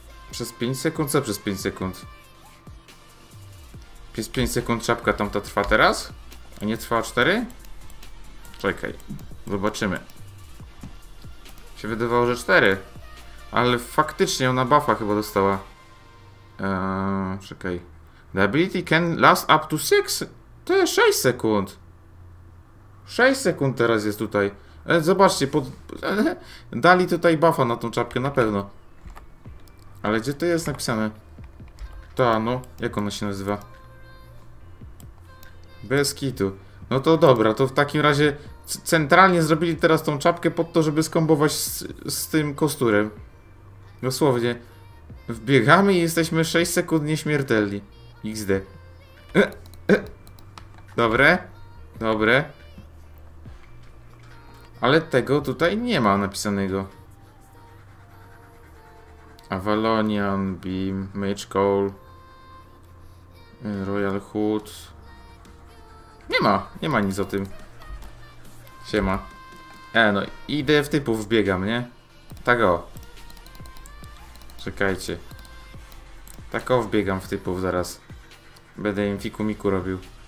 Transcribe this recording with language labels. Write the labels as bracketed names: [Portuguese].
[Polish] Przez 5 sekund? Co przez 5 sekund? Przez 5 sekund czapka tamta trwa teraz? A nie trwa 4? Czekaj. Zobaczymy. Się wydawało, że 4. Ale faktycznie ona buffa chyba dostała. Czekaj. [English] The ability can last up to 6? [Polish] To jest 6 sekund. 6 sekund teraz jest tutaj. Zobaczcie, dali tutaj buffa na tą czapkę, na pewno. Ale gdzie to jest napisane? Ta, no, jak ona się nazywa? Bez kitu. No to dobra, to w takim razie centralnie zrobili teraz tą czapkę pod to, żeby skombować z tym kosturem. Dosłownie. Wbiegamy i jesteśmy 6 sekund nieśmiertelni. XD. Dobre. Dobre. Ale tego tutaj nie ma napisanego. Avalonian, Beam, Mage Call, Royal Hood. Nie ma nic o tym. Siema. No idę w typu, wbiegam, nie? Tak o. Czekajcie. Tak o, wbiegam w typów zaraz. Będę im fikumiku robił.